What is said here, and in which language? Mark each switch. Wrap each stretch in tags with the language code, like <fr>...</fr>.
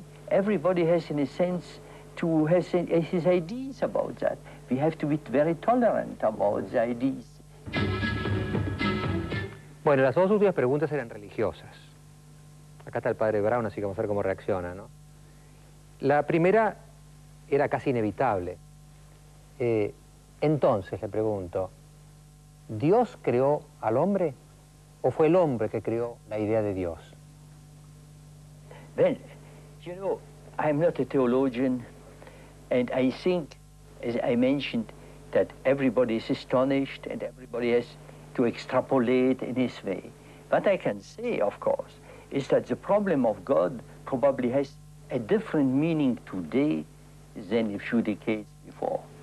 <en>Everybody has, in a sense, his ideas about that. We have to be very tolerant about the ideas.</en> <es>Bueno, las dos últimas preguntas eran religiosas. Acá está el padre Brown, así que vamos a ver cómo reacciona, ¿no? La primera era casi inevitable. Entonces, le pregunto, ¿Dios creó al hombre o fue el hombre que creó la idea de Dios?</es> <en>Well, you know, I'm not a theologian, and I think, as I mentioned, that everybody is astonished and everybody has to extrapolate in his way. What I can say, of course, is that the problem of God probably has a different meaning today than a few decades before.</en>